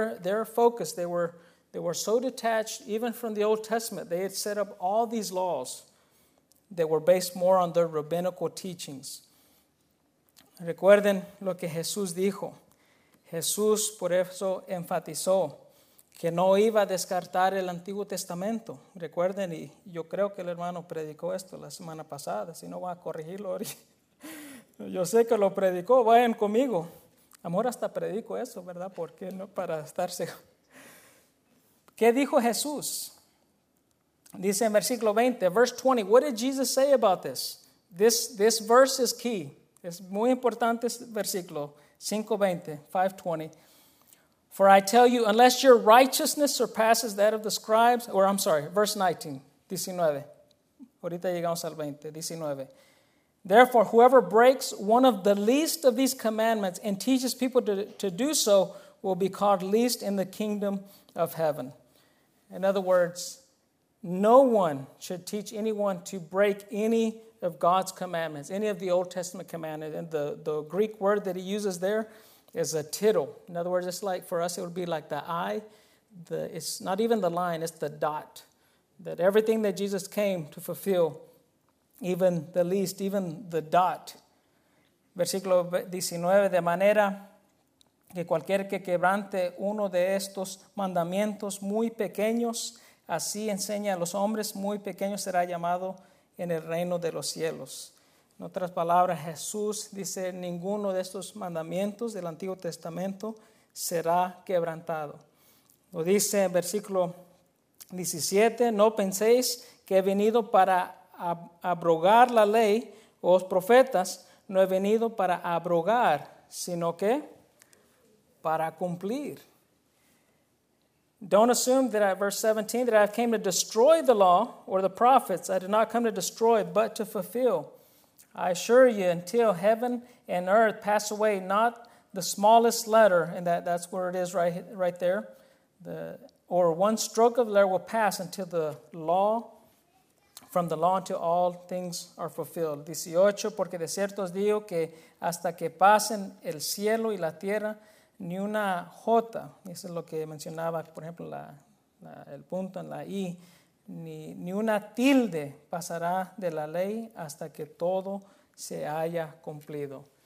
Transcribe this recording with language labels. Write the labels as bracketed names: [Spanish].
[English] Their focus, they were so detached even from the Old Testament. They had set up all these laws that were based more on their rabbinical teachings. [Spanish] Recuerden lo que Jesús dijo. Jesús por eso enfatizó que no iba a descartar el Antiguo Testamento. Recuerden, y yo creo que el hermano predicó esto la semana pasada, si no va a corregirlo ahorita. Yo sé que lo predicó, vayan conmigo. Amor, hasta predico eso, ¿verdad? ¿Por qué no? Para estarse. ¿Qué dijo Jesús? Dice en versículo 20, [English] verse 20, what did Jesus say about this? This verse is key. [Spanish] Es muy importante este versículo, 5:20. [English] For I tell you, unless your righteousness surpasses that of the scribes, or I'm sorry, verse 19, 19. [Spanish] Ahorita llegamos al 20, 19. [English] Therefore, whoever breaks one of the least of these commandments and teaches people to do so will be called least in the kingdom of heaven. In other words, no one should teach anyone to break any of God's commandments, any of the Old Testament commandments. And the Greek word that he uses there is a tittle. In other words, it's like for us, it would be like the I. It's not even the line, it's the dot. That everything that Jesus came to fulfill, even the least, even the dot. [Spanish] Versículo 19, de manera que cualquier que quebrante uno de estos mandamientos muy pequeños, así enseña a los hombres, muy pequeños será llamado en el reino de los cielos. En otras palabras, Jesús dice, ninguno de estos mandamientos del Antiguo Testamento será quebrantado. Lo dice en versículo 17, no penséis que he venido para abrogar la ley, o los profetas, no he venido para abrogar, sino que para cumplir. [English] Don't assume that I, verse 17, that I came to destroy the law or the prophets. I did not come to destroy, but to fulfill. I assure you, until heaven and earth pass away, not the smallest letter, and that's where it is right there, or one stroke of the letter will pass until the law, from the law until all things are fulfilled. [Spanish] 18, porque de cierto os digo que hasta que pasen el cielo y la tierra, ni una jota, eso es lo que mencionaba, por ejemplo, el punto en la I, ni una tilde pasará de la ley hasta que todo se haya cumplido.